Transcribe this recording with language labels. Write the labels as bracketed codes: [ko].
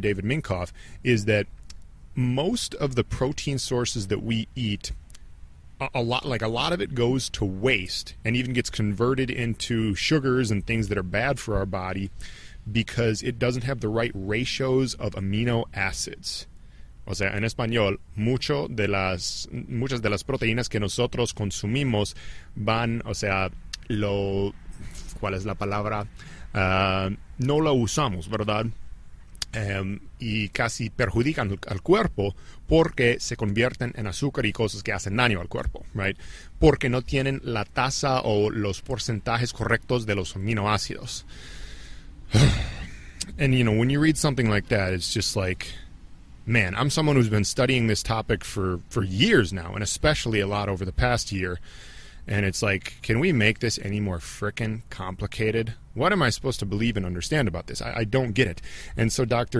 [en] David Minkoff is that most of the protein sources that we eat, a lot of it goes to waste and even gets converted into sugars and things that are bad for our body because it doesn't have the right ratios of amino acids. [es] O sea, en español, muchas de las proteínas que nosotros consumimos van, o sea, lo, ¿cuál es la palabra? No la usamos, ¿verdad? Y casi perjudican al cuerpo porque se convierten en azúcar y cosas que hacen daño al cuerpo, right? Porque no tienen la tasa o los porcentajes correctos de los aminoácidos. [en] And, you know, when you read something like that, it's just like, man, I'm someone who's been studying this topic for years now, and especially a lot over the past year. And it's like, can we make this any more frickin' complicated? What am I supposed to believe and understand about this? I don't get it. And so Dr.